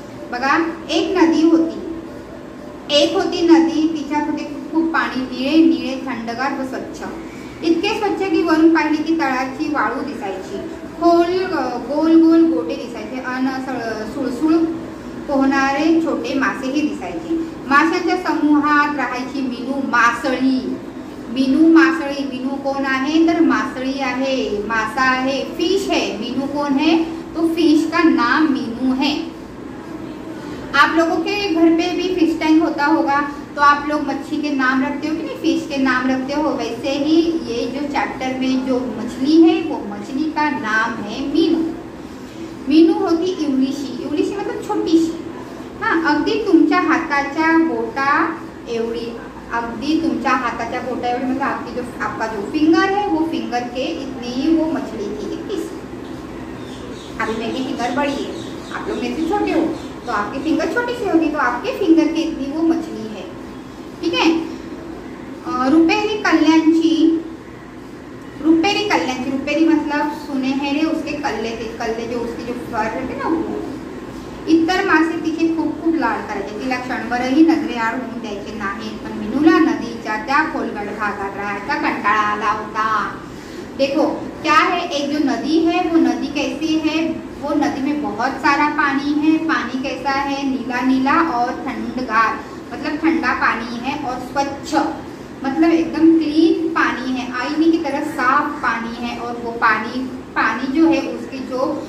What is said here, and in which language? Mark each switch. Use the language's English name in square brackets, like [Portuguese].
[Marathi] बघा, एक नदी होती, एक होती नदी, तिच्या मध्ये खूप पाणी, निळे निळे, थंडगार व स्वच्छ, इतके स्वच्छ की वरून पाहिले की तळाची वाळू दिसायची, खोल गोल गोल गोटे दिसायचे, अन सुळसुळ पोहणारे छोटे मासेही दिसायचे। माशांच्या समूहात राहायची मीनू मासळी। मीनू मासळी, मीनू कोण आहे तर मासळी आहे, मासा आहे, [Hindi] फिश है। मीनू कोण है तो फिश का नाम मीनू है। आप लोगों के घर पे भी फिश टैंक होता होगा तो आप लोग मच्छी के नाम रखते हो कि नहीं, फिश के नाम रखते हो, वैसे ही ये जो चैप्टर में जो मछली है वो मछली का नाम है मीनू। [Marathi] मीनू होती इवलीशी। इवलीशी [Hindi] मतलब छोटी सी, हाँ, [Marathi] अगदी तुमच्या हाताचा बोटा एवढी, अगदी तुमच्या हाताच्या बोटा एवढी, [Hindi] मतलब आपकी जो आपका जो फिंगर है वो फिंगर के इतनी ही वो मछली थी। इतनी अभी मेरी फिंगर बड़ी है, आप लोग मेरे से छोटे हो तो आपकी फिंगर छोटी सी होगी, तो आपके फिंगर की इतनी वो मछली है। ठीक है, [Marathi] रुपेरी कल्याणची। रुपेरी कल्याणची, [Hindi] रुपेरी मतलब सुनहरे उसके कल्ले थे, कल्ले जो उसके जो फर है ना वो। [Marathi] इतर मासे तिचे खूप खूप लाड करायचे, तिला क्षणभरही नजरे आड होऊन द्यायचे नाही, पण मीनूला नदीच्या त्या खोलगट भागात राहायचा कंटाळा आला होता। [Hindi] देखो क्या है, एक जो नदी है वो नदी कैसी है, वो नदी में बहुत सारा पानी है, पानी कैसा है, नीला नीला और ठंडगार, मतलब ठंडा पानी है, और स्वच्छ मतलब एकदम क्लीन पानी है, आईने की तरह साफ पानी है, और वो पानी पानी जो है उसकी जो